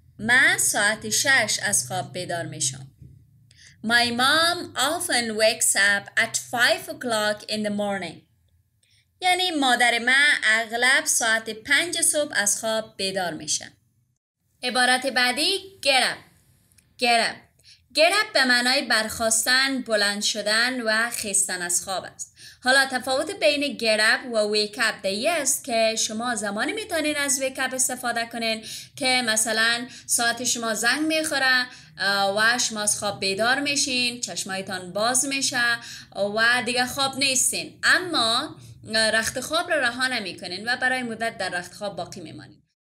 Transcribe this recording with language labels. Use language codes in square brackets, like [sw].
[fa] من ساعت 6 از خواب بیدار میشم. [en] My mom often wakes up at 5 o'clock in the morning. [fa] یعنی مادر من اغلب ساعت 5 صبح از خواب بیدار میشه. عبارت بعدی get up. Get up به معنای برخاستن، بلند شدن و خیستن از خواب است. حالا تفاوت بین get up و wake up دیگه است که شما زمانی میتونین از wake up استفاده کنین که مثلا ساعت شما زنگ میخوره و شما از خواب بیدار میشین، چشمایتان باز میشه و دیگه خواب نیستین، اما رخت خواب رو رها نمی کنین و برای مدت در رخت خواب باقی میمانین.